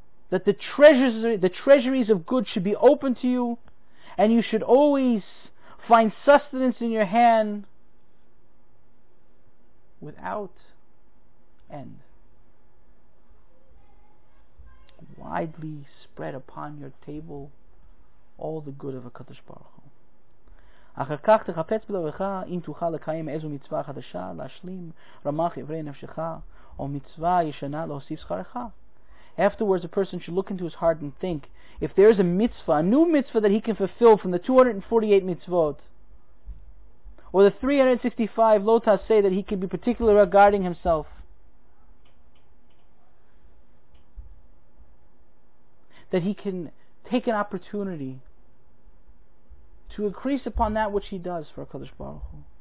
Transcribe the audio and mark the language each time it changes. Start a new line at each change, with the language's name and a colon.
English: that the treasuries of good should be open to you, and you should always find sustenance in your hand without end, widely spread upon your table all the good of HaKadosh Baruch Hu.
Hebrew: אחר כך תחפץ בלבך אם תוכל לקיים איזו מצווה חדשה להשלים רמח עברי נפשך או מצווה ישנה להוסיף שכרך.
English: Afterwards, a person should look into his heart and think, if there is a mitzvah, a new mitzvah that he can fulfill from the 248 mitzvot, or the 365 lota say that he can be particular regarding himself, that he can take an opportunity to increase upon that which he does for HaKadosh Baruch Hu.